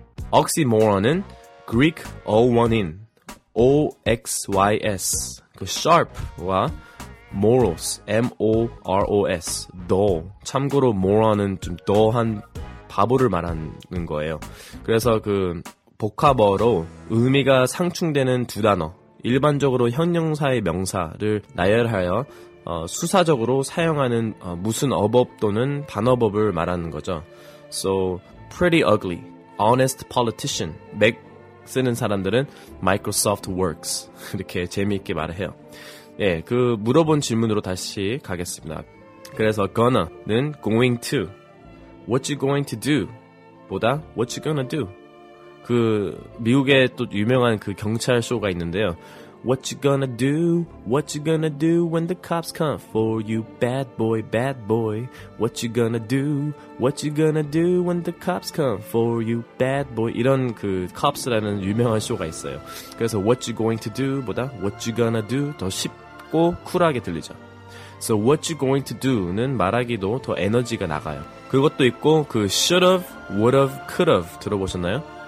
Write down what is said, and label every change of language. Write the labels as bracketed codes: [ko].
[ko] oxymoron은 Greek O1인 O-X-Y-S 그 sharp와 moros M-O-R-O-S dull 참고로 moron은 좀 dull한 바보를 말하는 거예요. 그래서 그 복합어로 의미가 상충되는 두 단어 일반적으로 형용사의 명사를 나열하여 수사적으로 사용하는 무슨 어법 또는 단어법을 말하는 거죠. [en] So pretty ugly, honest politician, [ko] Mac 쓰는 사람들은 Microsoft Works 이렇게 재미있게 말해요. 예, 그 물어본 질문으로 다시 가겠습니다. 그래서 [en] gonna는 going to What you going to do? 보다 What you gonna do? [ko] 그 미국에 또 유명한 그 경찰 쇼가 있는데요. [en] What you gonna do? What you gonna do when the cops come for you, bad boy, bad boy? What you gonna do? What you gonna do when the cops come for you, bad boy? [ko] 이런 그 cops라는 유명한 쇼가 있어요. 그래서 [en] What you going to do? [ko] 보다 [en] What you gonna do? [ko] 더 쉽고 쿨하게 들리죠. [en] So what you going to do는 [ko] 말하기도 더 에너지가 나가요. 그것도 있고 그 should've, would've, could've 들어보셨나요?